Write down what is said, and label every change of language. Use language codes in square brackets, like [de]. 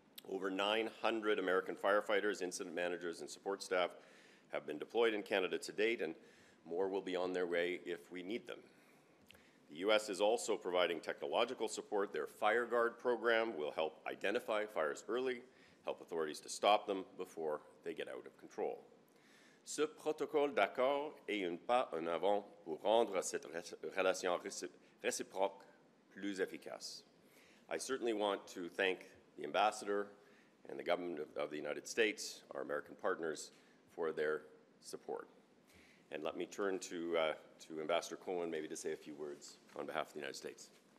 [en] Over 900 American firefighters, incident managers, and support staff have been deployed in Canada to date, and more will be on their way if we need them. The U.S. is also providing technological support. Their FireGuard program will help identify fires early, help authorities to stop them before they get out of control. [fr] Ce protocole d'accord est un pas en avant pour rendre cette relation réciproque plus efficace. [en] I certainly want to thank the ambassador and the government of the United States, our American partners, for their support. And let me turn to Ambassador Cohen maybe to say a few words on behalf of the United States.